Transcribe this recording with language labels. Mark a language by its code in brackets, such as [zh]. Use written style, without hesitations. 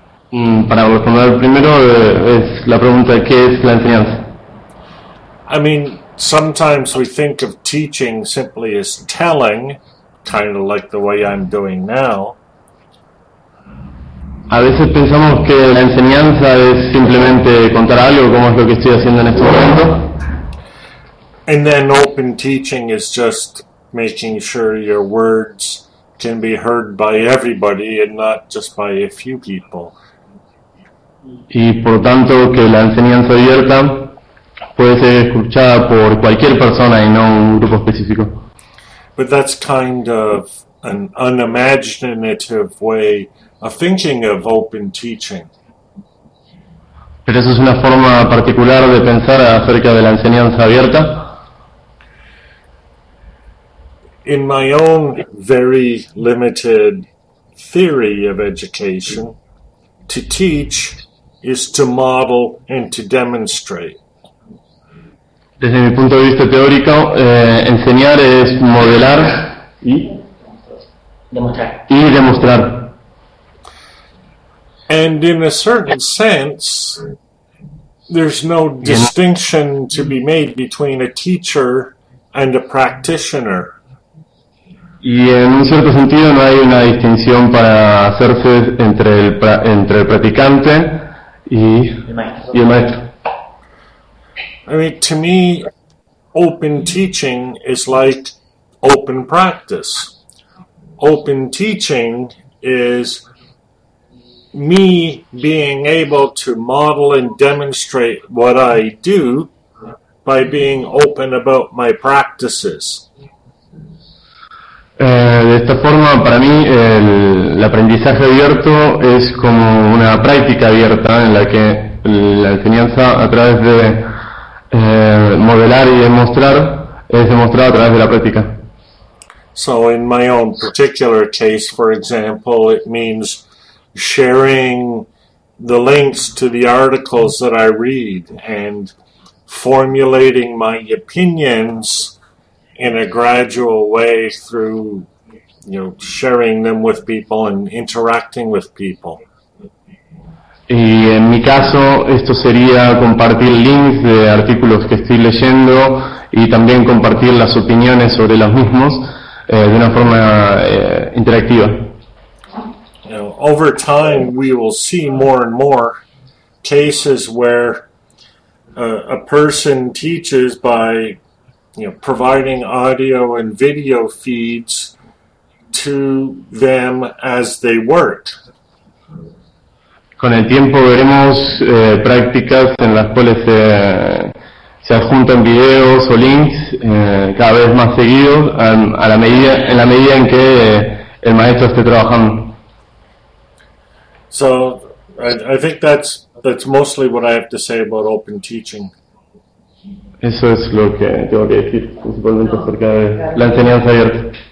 [es] Para responder primero, es la pregunta, ¿qué es la enseñanza? [en] I mean, sometimes we think of teaching simply as telling, kind of like the way I'm doing now. [es] A veces pensamos que la enseñanza es simplemente contar algo, como es lo que estoy haciendo en este momento. [en] And then open teaching is just making sure your words can be heard by everybody and not just by a few people. [es] Y por tanto que la enseñanza abierta puede ser escuchada por cualquier persona y no un grupo específico. [en] But that's kind of an unimaginative way of thinking of open teaching. [es] Pero eso es una forma particular de pensar acerca de la enseñanza abierta. [en] In my own very limited theory of education, to teach is to model and to demonstrate. [es] Desde mi punto de vista teórico, enseñar es modelar y demostrar. [en] And in a certain sense, there's no distinction to be made between a teacher and a practitioner. [es] Y en un cierto sentido no hay una distinción para hacerse entre el practicante y el maestro. [en] I mean, to me, open teaching is like open practice. Open teaching is me being able to model and demonstrate what I do by being open about my practices. [es] De esta forma, para mí, el aprendizaje abierto es como una práctica abierta en la que la enseñanza a través de modelar y demostrar es demostrada a través de la práctica. [en] So in my own particular case, for example, it means sharing the links to the articles that I read and formulating my opinions in a gradual way through, you know, sharing them with people and interacting with people. [es] Y en mi caso, esto sería compartir links de artículos que estoy leyendo y también compartir las opiniones sobre los mismos de una forma interactiva. [en] You know, over time, we will see more and more cases where a person teaches by, you know, providing audio and video feeds to them as they work. [es] Con el tiempo veremos prácticas en las cuales se, se adjuntan videos o links cada vez más seguidos a la medida, en la medida en que el maestro esté trabajando. [en] So, I think that's mostly what I have to say about open teaching. [es] Eso es lo que tengo que decir principalmente acerca de la enseñanza abierta.